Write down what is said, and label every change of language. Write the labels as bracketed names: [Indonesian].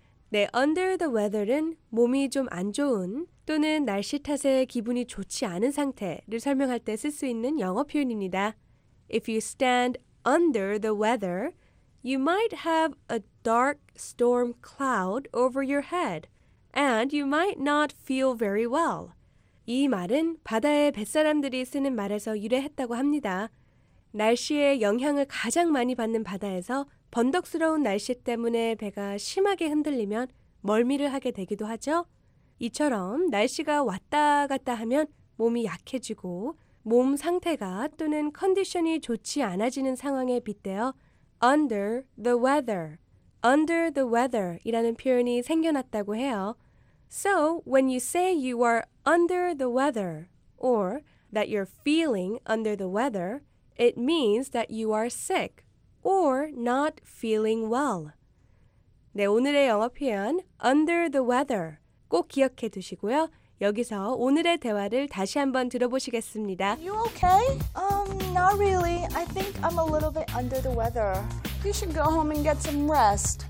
[Korean] 네, [English] under the weather [Korean] 은 몸이 좀 안 좋은 또는 날씨 탓에 기분이 좋지 않은 상태를 설명할 때 쓸 수 있는 영어 표현입니다. [English] If you stand under the weather, you might have a dark storm cloud over your head, and you might not feel very well. [Korean] 이 말은 바다의 뱃사람들이 쓰는 말에서 유래했다고 합니다. 날씨의 영향을 가장 많이 받는 바다에서 번덕스러운 날씨 때문에 배가 심하게 흔들리면 멀미를 하게 되기도 하죠. 이처럼 날씨가 왔다 갔다 하면 몸이 약해지고 몸 상태가 또는 컨디션이 좋지 않아지는 상황에 빗대어 [English] under the weather [Korean] 이라는 표현이 생겨났다고 해요. [English] So, when you say you are under the weather or that you're feeling under the weather, it means that you are sick or not feeling well. [Korean] 네, 오늘의 영어 표현 [English] under the weather [Korean] 꼭 기억해 두시고요. 여기서 오늘의 대화를 다시 한번 들어보시겠습니다. [English] You okay? Not really. I think I'm a little bit under the weather. You should go home and get some rest.